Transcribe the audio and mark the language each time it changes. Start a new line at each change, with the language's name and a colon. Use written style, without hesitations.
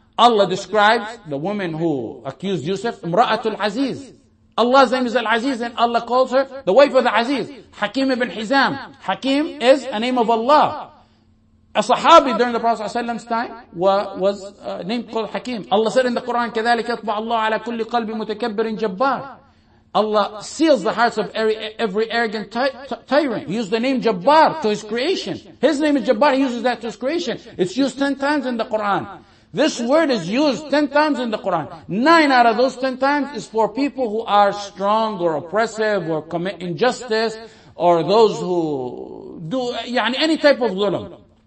English: Allah describes the woman who accused Yusuf, Imra'atul Aziz. Allah's name is Al-Aziz, and Allah calls her the wife of the Aziz. Hakim ibn Hizam. Hakim is a name of Allah. A sahabi during the Prophet's time was named called Hakim. Allah said in the Quran,
Arabic: كَذَلِكَ يَطْبَعَ اللَّهُ عَلَى كُلِّ قَلْبٍ مُتَكَبِّرٍ جَبَّارٍ.
English: Allah seals the hearts of every arrogant tyrant. He used the name Jabbar to his creation. His name is Jabbar. He uses that to his creation. It's used 10 times in the Quran. This word is used 10 times in the Quran. 9 out of those 10 times is for people who are strong or oppressive or commit injustice or those who do any type of dhulam.